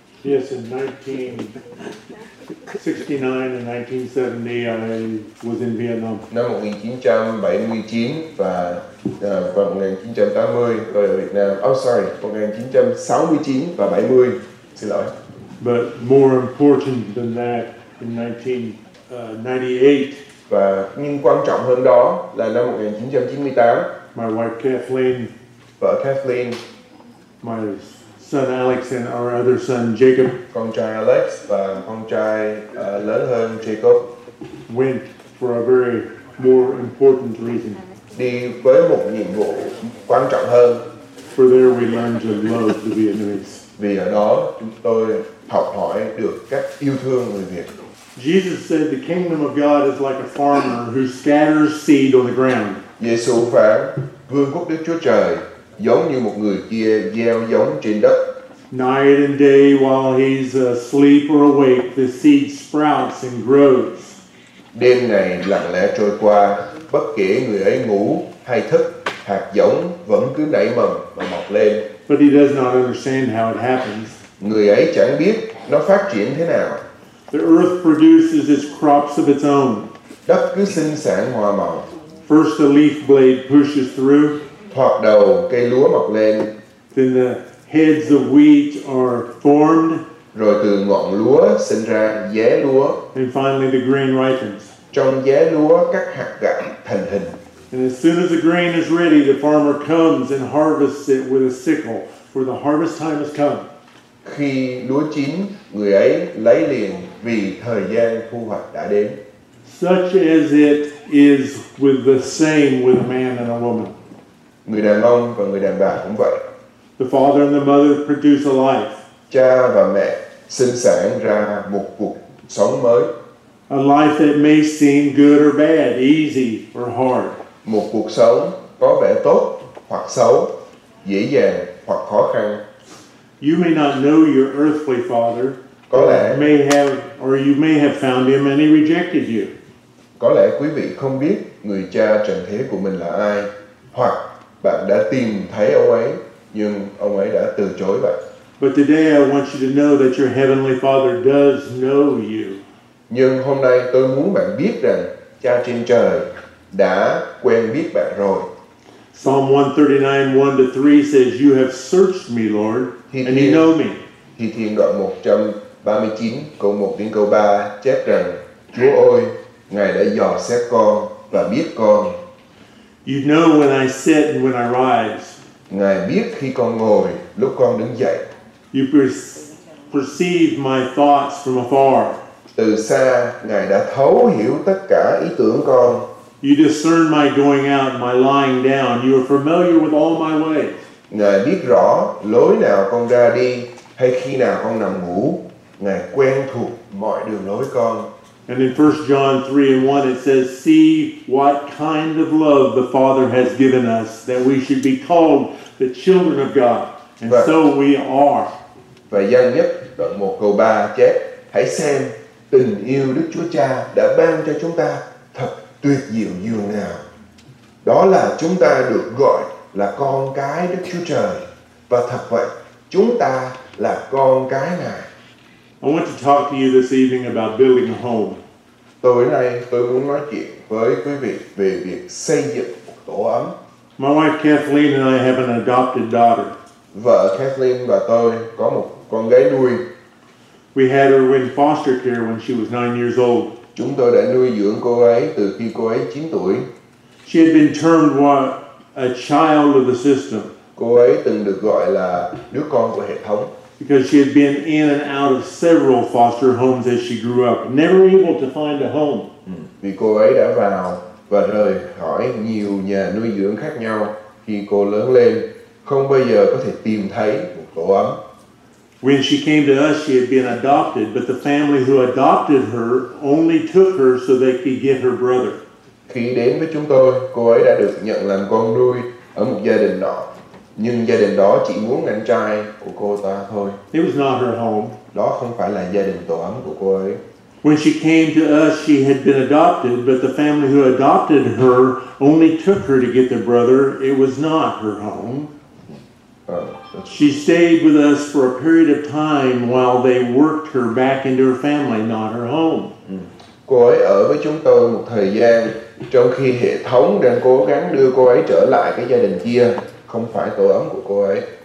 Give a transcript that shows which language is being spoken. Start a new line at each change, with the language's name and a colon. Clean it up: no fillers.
English: Yes, in 1969 and 1970, I was in Vietnam.
Vietnamese: Năm 1979 và 1980, tôi ở Việt Nam.
English: Oh, sorry,
Vietnamese: 1969 và 70. Xin lỗi.
English: But more important than that, in 1998.
Vietnamese: Và nhưng quan trọng hơn đó là năm 1998.
English: My wife Kathleen.
Vietnamese: Vợ Kathleen.
English: My son Alex and our other son Jacob.
Vietnamese: Con trai Alex và con trai lớn hơn Jacob.
English: Went for a very more important reason.
Vietnamese: Đi với một nhiệm vụ quan trọng hơn.
English: For there we learned to love the Vietnamese.
Vietnamese: Vì ở đó chúng tôi học hỏi được cách yêu thương người Việt.
English: Jesus said the kingdom of God is like a farmer who scatters seed on the ground.
Vietnamese: Giê-xu phán, vương quốc Đức Chúa Trời giống như một người kia gieo giống trên đất.
English: Night and day while he's asleep or awake, the seed sprouts and grows.
Vietnamese: Đêm ngày lặng lẽ trôi qua, bất kể người ấy ngủ hay thức, hạt giống vẫn cứ nảy mầm và mọc lên.
English: But he does not understand how it happens.
Vietnamese: Người ấy chẳng biết nó phát triển thế nào.
English: The earth produces its crops of its own.
Vietnamese: Đất cứ sinh sản hoa màu.
English: First the leaf blade pushes through.
Vietnamese: Thoạt đầu cây lúa mọc lên.
English: Then the heads of wheat are formed.
Vietnamese: Rồi từ ngọn lúa sinh ra giá lúa.
English: And finally the grain ripens.
Vietnamese: Trong giá lúa các hạt gạo thành hình.
English: And as soon as the grain is ready, the farmer comes and harvests it with a sickle, for the harvest time has come.
Vietnamese: Khi lúa chín, người ấy lấy liền vì thời gian thu hoạch đã đến.
English: Such as it is with the same with a man and a woman.
Vietnamese: Người đàn ông và người đàn bà cũng vậy.
English: The father and the mother produce a life.
Vietnamese: Cha và mẹ sinh sản ra một cuộc sống mới.
English: A life that may seem good or bad, easy or hard.
Vietnamese: Một cuộc sống có vẻ tốt hoặc xấu, dễ dàng hoặc khó khăn.
English: You may not know your earthly father.
Vietnamese: Có lẽ
English: you may have found him and he rejected you.
Vietnamese: Có lẽ quý vị không biết người cha trần thế của mình là ai, hoặc bạn đã tìm thấy ông ấy nhưng ông ấy đã từ chối bạn.
English: But today I want you to know that your heavenly father does know you.
Vietnamese: Nhưng hôm nay tôi muốn bạn biết rằng cha trên trời đã quen biết bạn rồi.
English: Psalm 139:1-3 says, "You have searched me, Lord, and you know me."
Vietnamese: Thi thiên đoạn 139 câu 1 đến câu 3 chép rằng: "Chúa ơi, Ngài đã dò xét con và biết con.
English: You know when I sit and when I rise.
Vietnamese: Ngài biết khi con ngồi, lúc con đứng dậy.
English: You perceive my thoughts from afar.
Vietnamese: Từ xa, Ngài đã thấu hiểu tất cả ý tưởng con.
English: You discern my going out, my lying down. You are familiar with all my ways.
Vietnamese: Ngài biết rõ lối nào con ra đi hay khi nào con nằm ngủ. Ngài quen thuộc mọi đường lối con."
English: And in 1 John 3:1 it says, "See what kind of love the Father has given us, that we should be called the children of God, and và, so we are."
Vietnamese: Và Giăng nhất đoạn 1 câu 3 chép, "Hãy xem tình yêu Đức Chúa Cha đã ban cho chúng ta thật tuyệt diệu dường nào. Đó là chúng ta được gọi là con cái Đức Chúa Trời, và thật vậy, chúng ta là con cái Ngài."
English: I want to talk to you this evening about building a home.
Vietnamese: Tối nay tôi muốn nói chuyện với quý vị về việc xây dựng một tổ ấm.
English: My wife Kathleen and I have an adopted daughter.
Vietnamese: Vợ Kathleen và tôi có một con gái nuôi.
English: We had her in foster care when she was 9 years old.
Vietnamese: Chúng tôi đã nuôi dưỡng cô ấy từ khi cô ấy 9 tuổi.
English: She had been termed a child of the system.
Vietnamese: Cô ấy từng được gọi là đứa con của hệ thống.
English: Because she had been in and out of several foster homes as she grew up, never able to find a home.
Vietnamese: Vì cô ấy đã vào và rời khỏi nhiều nhà nuôi dưỡng khác nhau khi cô lớn lên, không bao giờ có thể tìm thấy một tổ ấm.
English: When she came to us, she had been adopted, but the family who adopted her only took her so they could get her brother.
Vietnamese: Khi đến với chúng tôi, cô ấy đã được nhận làm con nuôi ở một gia đình nọ. Nhưng gia đình đó chỉ muốn anh trai của cô ta thôi.
English: It was not her home.
Vietnamese: Đó không phải là gia đình tổ ấm của cô ấy.
English: When she came to us, she had been adopted, but the family who adopted her only took her to get their brother. It was not her home. She stayed with us for a period of time while they worked her back into her family, not her home.
Vietnamese: Cô ấy ở với chúng tôi một thời gian, trong khi hệ thống đang cố gắng đưa cô ấy trở lại cái gia đình kia. Không phải tổ ấm của cô ấy.